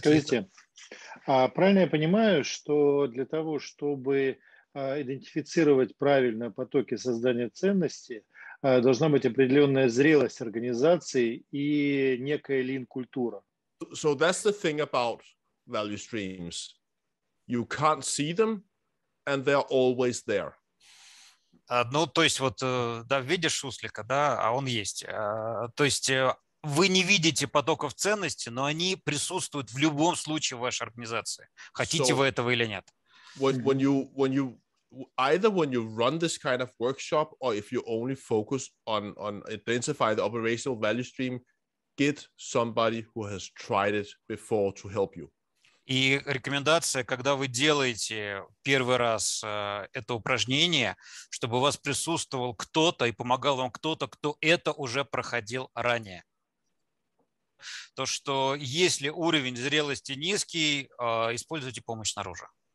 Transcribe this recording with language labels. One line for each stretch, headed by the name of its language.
Russian: Скажите, правильно я понимаю, что для того, чтобы идентифицировать правильно потоки создания ценности, должна быть определенная зрелость организации и некая лин-культура?
English: So that's the thing about value streams. You can't see them, and they're always there.
Russian: Ну, то есть вот, да, видишь суслика, да, а он есть. То есть... Вы не видите потоков ценности, но они присутствуют в любом случае в вашей организации. Хотите вы этого или нет?
English: When you either when you run this kind of workshop or if you only focus on identify the operational value stream, get somebody who has tried it before to help you.
Russian: И рекомендация, когда вы делаете первый раз это упражнение, чтобы у вас присутствовал кто-то и помогал вам кто-то, кто это уже проходил ранее. То, что если уровень зрелости низкий, используйте помощь снаружи.